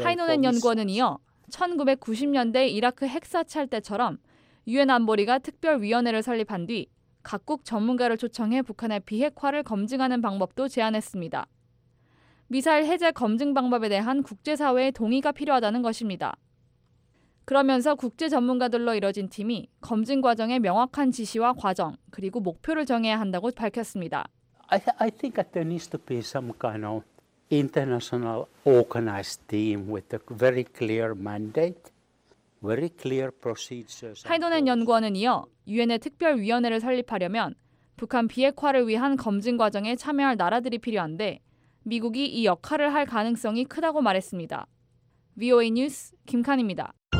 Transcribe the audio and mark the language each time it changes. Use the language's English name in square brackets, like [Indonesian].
[Korean] 하이노넨 연구원은 이어 1990년대 이라크 핵사찰 때처럼 유엔 안보리가 특별위원회를 설립한 뒤 각국 전문가를 초청해 북한의 비핵화를 검증하는 방법도 제안했습니다. 미사일 해제 검증 방법에 대한 국제사회의 동의가 필요하다는 것입니다. 그러면서 국제 전문가들로 이뤄진 팀이 검증 과정의 명확한 지시와 과정 그리고 목표를 정해야 한다고 밝혔습니다. [English] I think that there needs to be some kind of international organized team with a very clear mandate, very clear procedures. [Korean] 하이도넨 연구원은 이어 유엔의 특별위원회를 설립하려면 북한 비핵화를 위한 검증 과정에 참여할 나라들이 필요한데 미국이 이 역할을 할 가능성이 크다고 말했습니다. VOA 뉴스 김칸입니다.